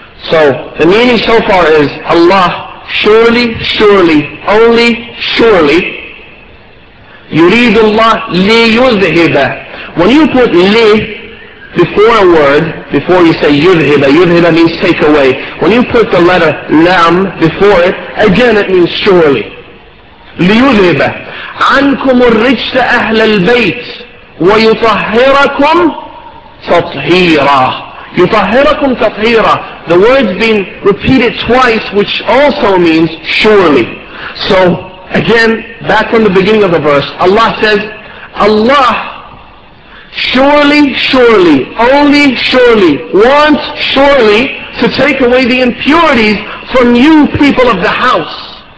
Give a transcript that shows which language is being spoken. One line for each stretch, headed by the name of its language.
English: So the meaning so far is Allah, surely, surely, only surely.
Arabic: Yuridullah li yudhiba.
English: When you put li before a word, before you say yudhiba, yudhiba means take away. When you put the letter lam before it, again it means surely.
Arabic: Li yudhiba. عنكم الرجس أهل البيت ويطهركم تطهيرا. يطهركم تطهيرا.
English: The word's been repeated twice, which also means surely. So again, back from the beginning of the verse, Allah says, Allah, surely, surely, only surely, wants surely to take away the impurities from you people of the house.